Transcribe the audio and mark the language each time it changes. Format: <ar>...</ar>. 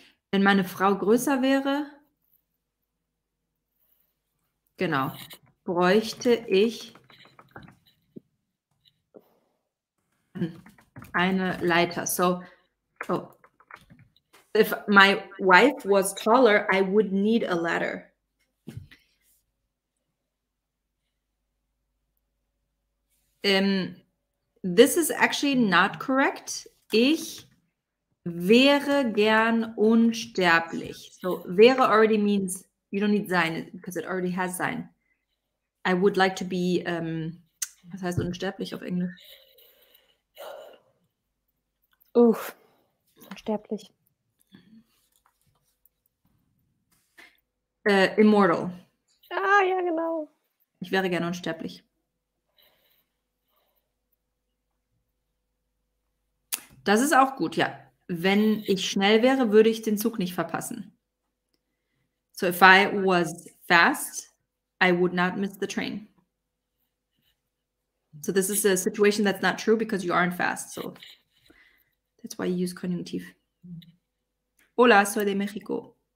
<de>Wenn meine Frau größer wäre, genau, bräuchte ich eine Leiter.</de> <en>So, oh. If my wife was taller, I would need a ladder. This is actually not correct.</en> <de>Ich wäre gern unsterblich.</de> <en>So, wäre already means you don't need sein, because it already has sein. I would like to be,</en> <de>was heißt unsterblich auf Englisch? Uff, unsterblich.</de> <en>Immortal.</en> <de>Ja, genau. Ich wäre gern unsterblich. Das ist auch gut, ja. Wenn ich schnell wäre, würde ich den Zug nicht verpassen.</de> <en>So, if I was fast, I would not miss the train. So, this is a situation that's not true because you aren't fast. So, that's why you use Konjunktiv.</en> <es>Hola, soy de México.</es>